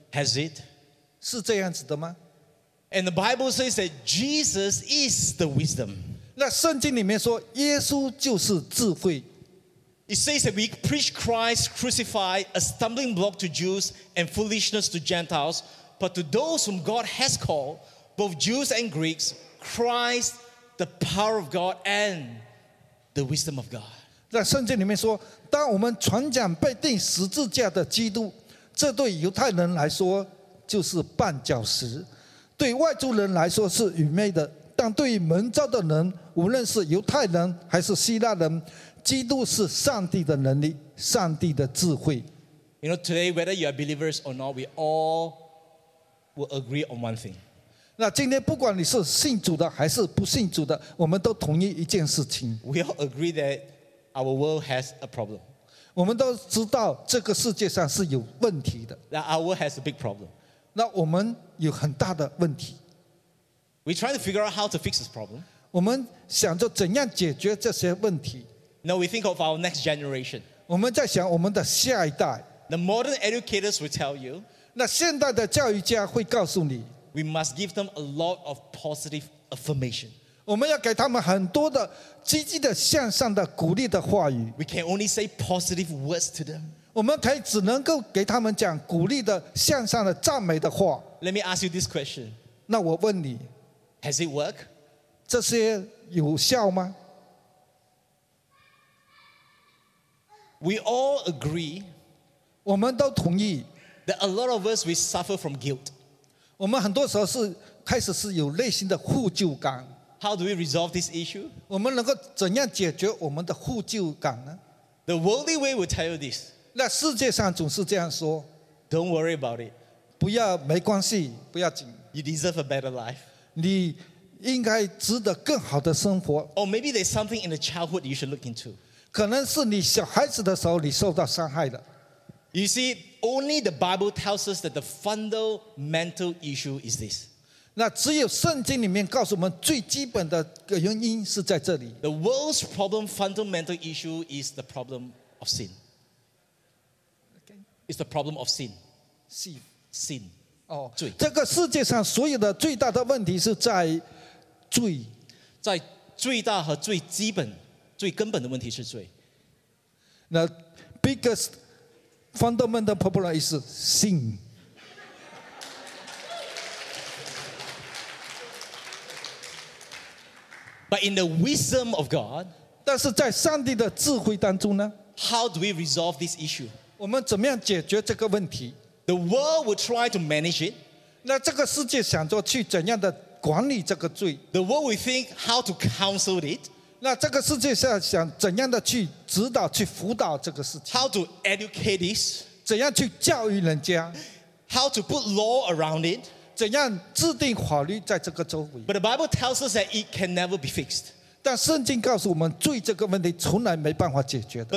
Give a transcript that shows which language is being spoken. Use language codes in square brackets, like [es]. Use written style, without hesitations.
[en] Has it? [zh] 是这样子的吗？ [en] And the Bible says that Jesus is the wisdom. [zh] 那圣经里面说，耶稣就是智慧。 [en] It says that we preach Christ crucified, a stumbling block to Jews and foolishness to Gentiles, but to those whom God has called. Both Jews and Greeks, Christ, the power of God and the wisdom of God. [zh] 在圣经里面说，当我们传讲被钉十字架的基督，这对犹太人来说就是绊脚石，对外族人来说是愚昧的。但对于蒙召的人，无论是犹太人还是希腊人，基督是上帝的能力，上帝的智慧。 [en] You know, today, whether you are believers or not, we all will agree on one thing. [zh] 那今天不管你是信主的还是不信主的，我们都同意一件事情。 [en] We all agree that our world has a problem. [zh] 我们都知道这个世界上是有问题的。 [en] That our world has a big problem. [zh] 那我们有很大的问题。 [en] We try to figure out how to fix this problem. [zh] 我们想着怎样解决这些问题。 [en] Now we think of our next generation. [zh] 我们在想我们的下一代。 [en] The modern educators will tell you. [zh] 那现代的教育家会告诉你。 [en] We must give them a lot of positive affirmation. [zh] 我们要给他们很多的积极的向上的鼓励的话语。 [en] We can only say positive words to them. [zh] 我们可以只能够给他们讲鼓励的向上的赞美的话。 [en] Let me ask you this question. [zh] 那我问你， [en] Has it worked? [zh] 这些有效吗？ [en] We all agree. [zh] 我们都同意。 [en] That a lot of us we suffer from guilt. [zh] 我们很多时候是开始是有内心的负疚感。 [en] How do we resolve this issue? [zh] 我们能够怎样解决我们的负疚感呢？ [en] The worldly way will tell you this. [zh] 那世界上总是这样说。 [en] Don't worry about it. [zh] 不要没关系，不要紧。 [en] You deserve a better life. [zh] 你应该值得更好的生活。 [en] Or maybe there's something in the childhood you should look into. [zh] 可能是你小孩子的时候你受到伤害的。 [en] You see, only the Bible tells us that the fundamental issue is this. [zh] 那只有圣经里面告诉我们最基本的原因是在这里。 [en] The world's problem, fundamental issue is the problem of sin. It's the problem of sin. Sin. [zh] Oh, 罪。这个世界上所有的最大的问题是在罪。在最大和最基本、最根本的问题是罪。 [en] 那 biggestFundamental problem is sin. But in the wisdom of God, [zh] 但是在上帝的智慧当中呢？ [en] How do we resolve this issue? [zh] 我们怎么样解决这个问题？ [en] The world will try to manage it. [zh] 那这个世界想着去怎样的管理这个罪？ [en] The world will think how to counsel it. [zh] 那这个世界上想怎样的去指导、去辅导这个事情 [en] ？How to educate this？ [zh] 怎样去教育人家 [en] ？How to put law around it？ [zh] 怎样制定法律在这个周围 [en] ？But the Bible tells us that it can never be fixed。 [zh] 但圣经告诉我们，罪这个问题从来没办法解决的。